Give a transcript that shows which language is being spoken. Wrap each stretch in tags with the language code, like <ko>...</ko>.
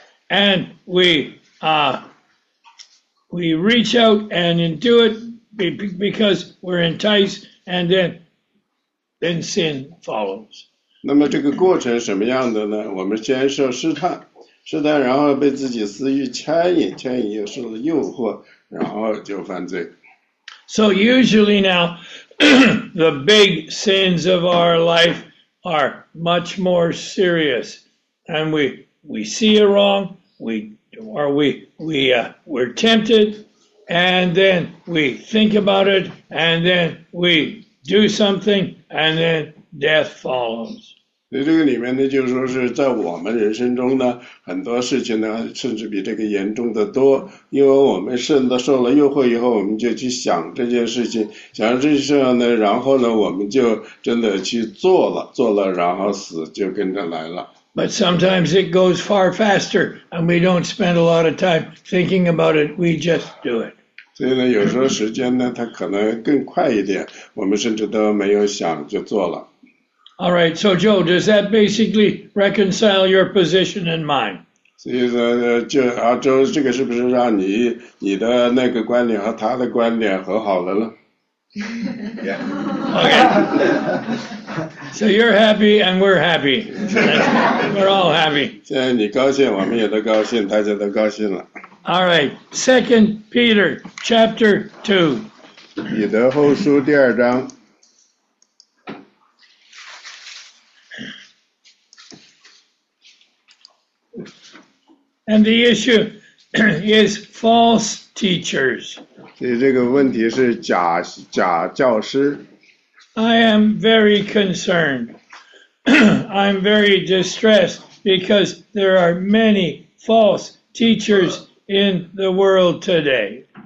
<en>And we reach out and do it because we're enticed. And then sin follows.</en> <zh>那么这个过程什么样的呢？我们先受试探，试探然后被自己私欲牵引，牵引又受了诱惑，然后就犯罪。</zh> <en>So usually now, the big sins of our life are much more serious, and we see a wrong, we're tempted, and then we think about it, and then we do something. And then death follows.</en> <zh>所以这个里面呢，就是说是在我们人生中呢，很多事情呢，甚至比这个严重的多。因为我们甚至受了诱惑以后，我们就去想这件事情，想这件事呢，然后呢，我们就真的去做了，做了，然后死就跟着来了。</zh> <en>But sometimes it goes far faster, and we don't spend a lot of time thinking about it. We just do it.</en> <zh>所以呢，有时候时间呢，它可能更快一点，我们甚至都没有想就做了。</zh> <en>All right, so Joe, does that basically reconcile your position and mine?</en> <zh>所以呢，就阿周，这个是不是让你的那个观点和他的观点和好了呢？</zh> <en>Yeah. Okay. So you're happy and we're happy. We're all happy.</en> <zh>现在你高兴，我们也都高兴，大家都高兴了。</zh> <en>All right, 2 Peter chapter 2.</en> <zh>彼得后书第二章。</zh> <en>And the issue is false teachers.</en> <zh>所以这个问题是假教师。</zh> <en>I am very concerned. I'm very distressed because there are many false teachers in the world today.</en>